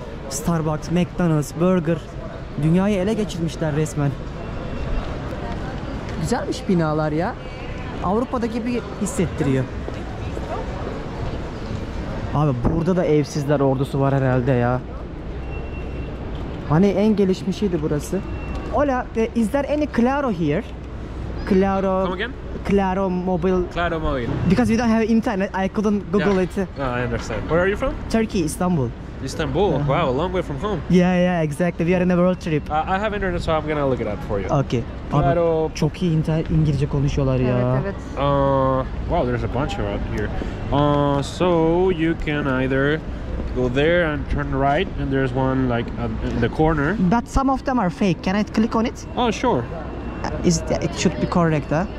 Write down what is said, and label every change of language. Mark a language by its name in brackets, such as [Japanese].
[Turkish] Starbucks, McDonald's, Burger. Dünyayı ele geçirmişler resmen. Güzelmiş binalar ya. Avrupa'daki gibi hissettiriyor. Abi burada da evsizler ordusu var herhalde ya. Hani en gelişmişiydi burası. [English] Hola, is there any Claro here? Claro. Come again? Claro Mobile. Claro Mobile. Because we don't have internet, I couldn't Google it. Oh, I understand. Where are you from? Turkey, Istanbul. Istanbul? Wow, a long way from home. Yeah, exactly. We are in a world trip. I have internet, so I'm gonna look it up for you. Okay. Claro. [Turkish] Abi, çok iyi İngilizce konuşuyorlar ya. Evet. [English] Wow, there's a bunch around here. So you can either go there and turn right, and there's one like in the corner. But some of them are fake. Can I click on it? Oh, sure. It should be correct, huh?